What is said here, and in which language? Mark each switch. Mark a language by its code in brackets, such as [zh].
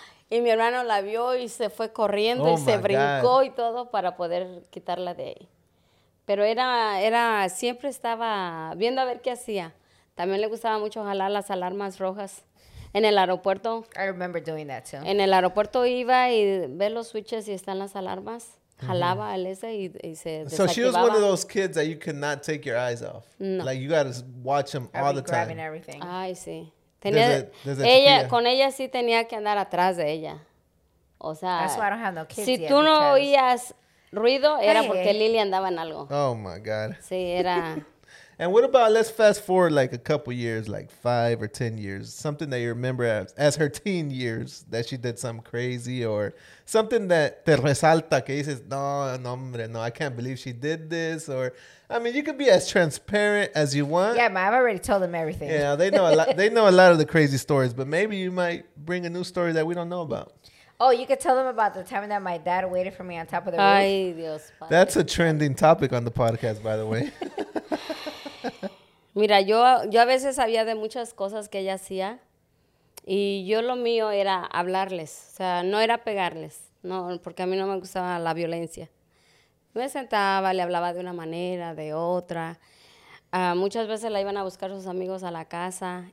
[es] Y mi hermano la vio y se fue corriendo y se brincó y todo para poder quitarla de ahí. Pero era siempre estaba viendo a ver qué hacía. También le gustaba mucho jalar las alarmas rojas en el aeropuerto. [en] I remember doing that too. [es] En el aeropuerto iba y ve los switches y están las alarmas. Jalaba al ese y se desactivaba. [en] So she was one of those kids that you cannot take your eyes off. No. Like you gotta watch them all the time. Grabbing everything. [es] Ay, sí. Tenía, ella, con ella sí tenía que andar atrás de ella. O sea, [en] that's why I don't have no kids [es] si [en] yet [es] tú no oías ruido, era porque Lily andaba en algo. [en] Oh, my God. [es] Sí, era. [en] And what about, let's fast forward like a couple years, like 5 or 10 years, something that you remember as her teen years, that she did something crazy or something that [es] te resalta, que dices, no, no, hombre, no, [en] I can't believe she did this. Or, I mean, you could be as transparent as you want. Yeah, but I've already told them everything. Yeah, they know a lot. They know a lot of the crazy stories, but maybe you might bring a new story that we don't know about. Oh, you could tell them about the time that my dad waited for me on top of the [es] roof. Ay, Dios. [en] That's a trending topic on the podcast, by the way. [es] Mira, yo a veces sabía de muchas cosas que ella hacía y yo lo mío era hablarles, o sea, no era pegarles, no, porque a mí no me gustaba la violencia. Me sentaba, le hablaba de una manera, de otra. Muchas veces la iban a buscar sus amigos a la casa.